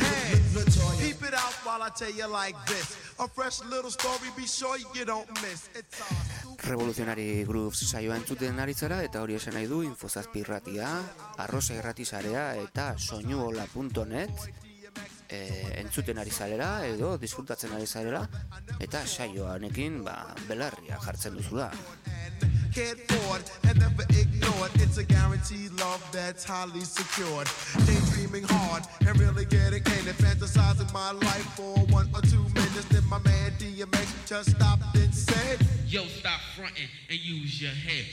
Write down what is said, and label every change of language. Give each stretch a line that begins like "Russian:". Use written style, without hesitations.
English: Hey, keep it out while I tell you like this. A fresh little story, be sure you don't miss.
Basque: Revolutionary Grooves saioa entzuten ari zara, eta hori esan nahi du Infozazpi irratia, Arrosa irratizarea eta soinuola.net entzuten ari zarela edo disfrutatzen ari zarela, eta saioa honekin ba, belarria jartzen duzula.
English: Cared for and never ignored. It's a guaranteed love that's highly secured. Daydreaming hard and really getting in and fantasizing my life for one or two minutes. Then my man DMX just stopped and said, yo, stop fronting and use your head.